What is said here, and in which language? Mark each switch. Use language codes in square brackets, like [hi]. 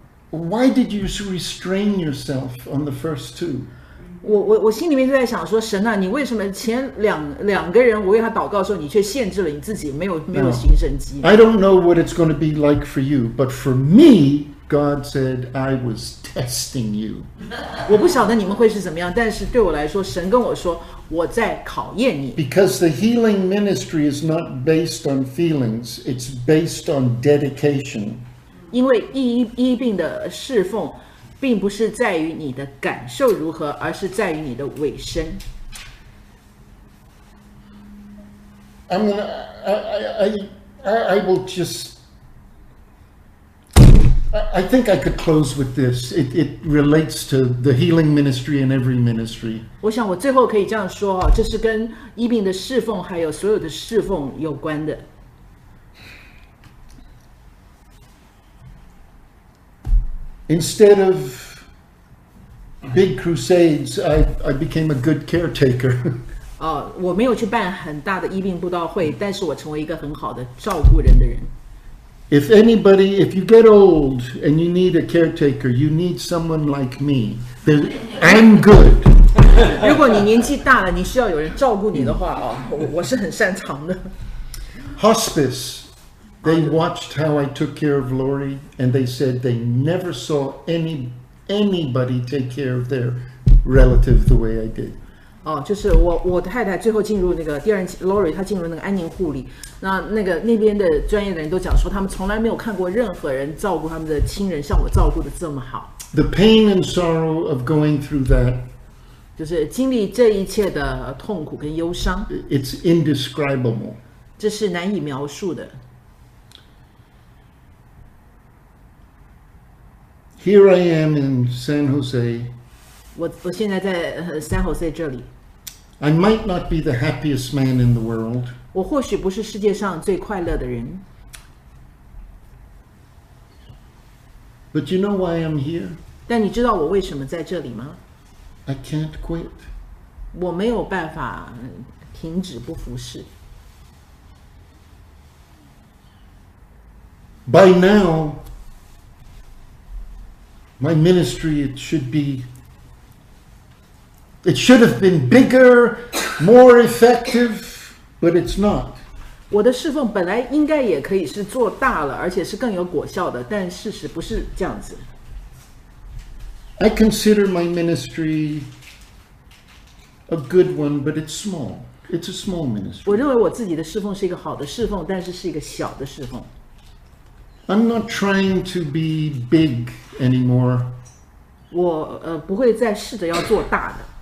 [en] Why did you restrain yourself on the first two? [zh] 我心里面就在想说，神啊，你为什么前两个人我为他祷告的时候，你却限制了你自己，没有行神迹。 [en] I don't know what it's going to be like for you, but for me, God said I was testing you. [zh] 我不晓得你们会是怎么样，但是对我来说，神跟我说我在考验你。 [en] Because the healing ministry is not based on feelings, it's based on dedication. [zh] 因为医病的侍奉。并不是在于你的感受如何，而是在于你的委身。 [en] I will just. I think I could close with this. It relates to the healing ministry and every ministry. [zh] 我想我最后可以这样说啊，这是跟医病的侍奉还有所有的侍奉有关的。 [en] instead of big crusades, I became a good caretaker. [zh] 哦，我没有去办很大的医病布道会，但是我成为一个很好的照顾人的人。 [en] If anybody, if you get old and you need a caretaker, you need someone like me. I'm good. [zh] 如果你年纪大了，你需要有人照顾你的话，哦，我是很擅长的。 [en] Hospice, they watched how I took care of Lori, and they said they never saw anybody take care of their relative the way I did. [zh] 哦，就是我的太太最后进入那个第二 Lori， 她进入那个安宁护理，那边的专业的人都讲说，他们从来没有看过任何人照顾他们的亲人像我照顾的这么好。 [en] The pain and sorrow of going through that， [zh] 就是经历这一切的痛苦跟忧伤。 [en] It's indescribable， [zh] 这是难以描述的。 [en] Here I am in San Jose。 [zh] 我现在在San Jose这里。 [en] I might not be the happiest man in the world. [zh] 我或许不是世界上最快乐的人。 [en] But you know why I'm here? [zh] 但你知道我为什么在这里吗？ [en] I can't quit. [zh] 我没有办法停止不服侍。 [en] By now, my ministry It should have been bigger, more effective, but it's not. [zh] 我的侍奉本来应该也可以是做大了，而且是更有果效的，但事实不是这样子。 [en] I consider my ministry a good one, but it's small. It's a small ministry. [zh] 我认为我自己的侍奉是一个好的侍奉，但是是一个小的侍奉。 [en] I'm not trying to be big anymore. [zh] 我不会再试着要做大的。